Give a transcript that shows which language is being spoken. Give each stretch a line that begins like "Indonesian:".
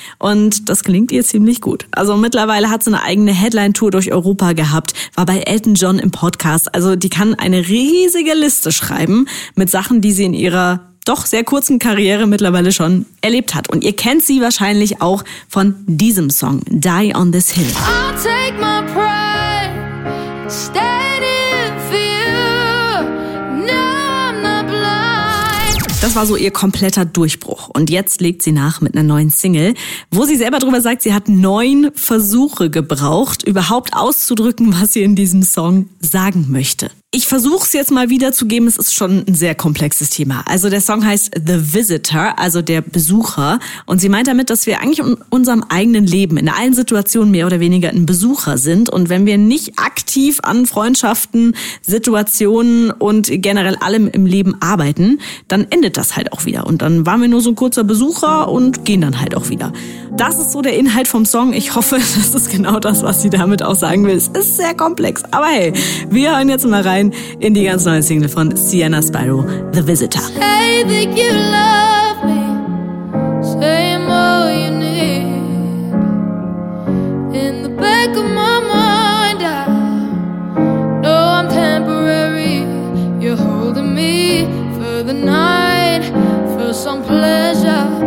German: Und das klingt ihr ziemlich gut. Also mittlerweile hat sie eine eigene Headline-Tour durch Europa gehabt, war bei Elton John im Podcast, also die kann eine riesige Liste schreiben mit Sachen, die sie in ihrer doch sehr kurzen Karriere mittlerweile schon erlebt hat. Und ihr kennt sie wahrscheinlich auch von diesem Song, Die on This Hill.
English: I'll take my pride, stand in for you. No, I'm not blind.
German: Das war so ihr kompletter Durchbruch. Und jetzt legt sie nach mit einer neuen Single, wo sie selber drüber sagt, sie hat 9 Versuche gebraucht, überhaupt auszudrücken, was sie in diesem Song sagen möchte. Ich versuche es jetzt mal wiederzugeben, es ist schon ein sehr komplexes Thema. Also der Song heißt The Visitor, also der Besucher. Und sie meint damit, dass wir eigentlich in unserem eigenen Leben, in allen Situationen mehr oder weniger ein Besucher sind. Und wenn wir nicht aktiv an Freundschaften, Situationen und generell allem im Leben arbeiten, dann endet das halt auch wieder. Und dann waren wir nur so ein kurzer Besucher und gehen dann halt auch wieder. Das ist so der Inhalt vom Song. Ich hoffe, das ist genau das, was sie damit auch sagen will. Es ist sehr komplex. Aber hey, wir hören jetzt mal rein in die ganz neue Single von Sienna Spiro, The Visitor.
English: Say that you love me, say I'm all you need. In the back of my mind, I know I'm temporary. You're holding me for the night, for some pleasure.